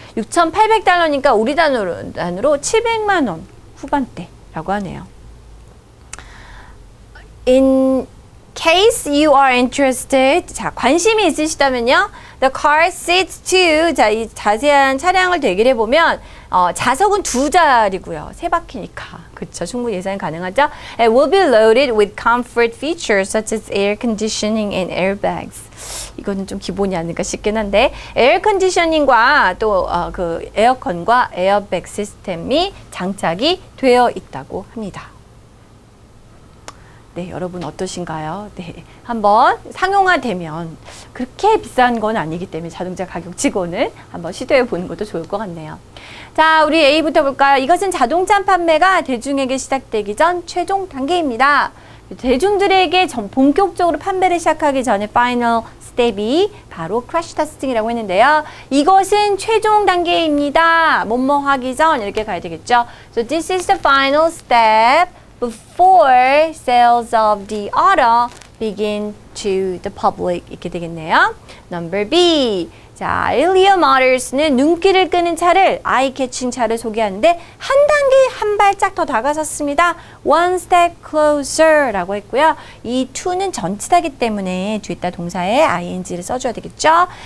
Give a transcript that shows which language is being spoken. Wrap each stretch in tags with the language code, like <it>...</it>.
<ko>6,800달러니까 우리 단으로 700만 원 후반대라고 하네요.</ko> <en>In case you are interested,</en> <ko>자, 관심이 있으시다면요.</ko> <en>The car seats two.</en> <ko>자, 이 자세한 차량을 대결해 보면 좌석은 두 자리고요. 세 바퀴니까. 그렇죠. 충분히 예상 가능하죠.</ko> <en>It will be loaded with comfort features such as air conditioning and airbags.</en> <ko>이거는 좀 기본이 아닌가 싶긴 한데 에어컨디셔닝과 또 그 에어컨과 에어백 시스템이 장착이 되어 있다고 합니다. 네, 여러분 어떠신가요? 네, 한번 상용화되면 그렇게 비싼 건 아니기 때문에 자동차 가격치고는 한번 시도해 보는 것도 좋을 것 같네요. 자, 우리 A부터 볼까요? 이것은 자동차 판매가 대중에게 시작되기 전 최종 단계입니다. 대중들에게 본격적으로 판매를 시작하기 전에 파이널 스텝이 바로 크래시 테스팅이라고 했는데요. 이것은 최종 단계입니다. 뭐뭐 하기 전 이렇게 가야 되겠죠.</ko> <en>So this is the final step before sales of the auto begin to the public.</en> <ko>이렇게 되겠네요.</ko> <en>Number B.</en> <ko>자, 엘리오 모터스는 눈길을 끄는 차를, 아이캐칭 차를 소개하는데 한 단계, 한 발짝 더 다가섰습니다.</ko> <en>One step closer</en> <ko>라고 했고요. 이 to는 전치다기 때문에 뒤에다 동사에 ing를 써줘야 되겠죠.</ko>